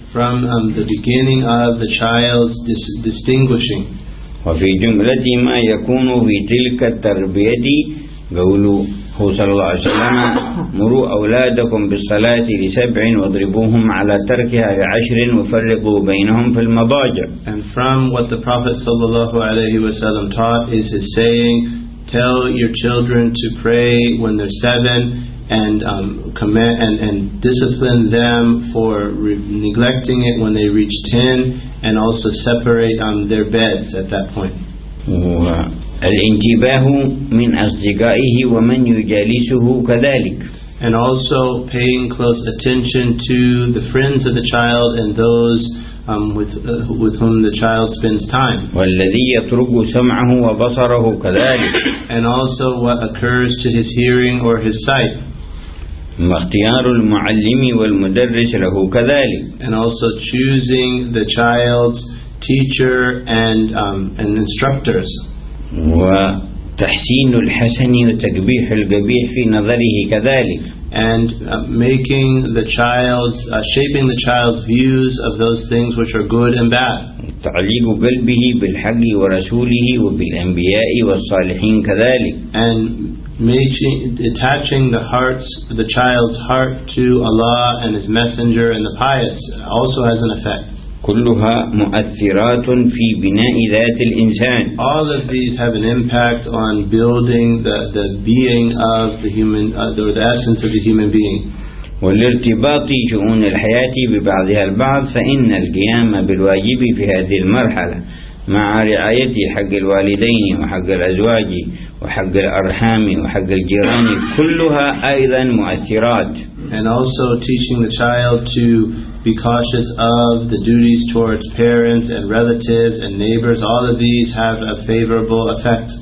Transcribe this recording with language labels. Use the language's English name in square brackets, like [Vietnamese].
[English] From the beginning of the child's distinguishing. [Arabic] وفي جملة ما يكون في تلك التربية قولوا هو صلى الله عليه وسلم مروا أولادكم بالصلاة لسبع واضربوهم على تركها لعشر وفرقوا بينهم في المضاجع. [English] And from what the Prophet [Arabic] صلى الله عليه وسلم [English] taught is his saying, tell your children to pray when they're seven and command and discipline them for neglecting it when they reach 10, and also separate their beds at that point. [Arabic] الانتباه من أصدقائه ومن يجالسه كذلك. [English] And also paying close attention to the friends of the child and those with whom the child spends time. [Arabic] والذي يترك سمعه وبصره كذلك. [English] And also what occurs to his hearing or his sight. [Arabic] واختيار المعلم والمدرس له كذلك. [English] And also choosing the child's teacher and instructors. [Arabic] وتحسين الحسن وتقبيح القبيح في نظره كذلك. [English] And making the child's shaping the child's views of those things which are good and bad. [Arabic] تعليق قلبه بالحق ورسوله وبالأنبياء والصالحين كذلك. [English] And attaching the child's heart to Allah and His Messenger and the pious also has an effect. [Arabic] كلها مؤثرات في بناء ذات الإنسان. [English] All of these have an impact on building the being of the human or the essence of the human being. [Arabic] والارتباط شؤون الحياة ببعضها البعض فإن القيام بالواجب في هذه المرحلة مع رعاية حق الوالدين وحق الأزواج وحق الأرحام وحق الجيران كلها أيضا مؤثرات. [English] And also teaching the child to be cautious of the duties towards parents and relatives and neighbors, all of these have a favorable effect.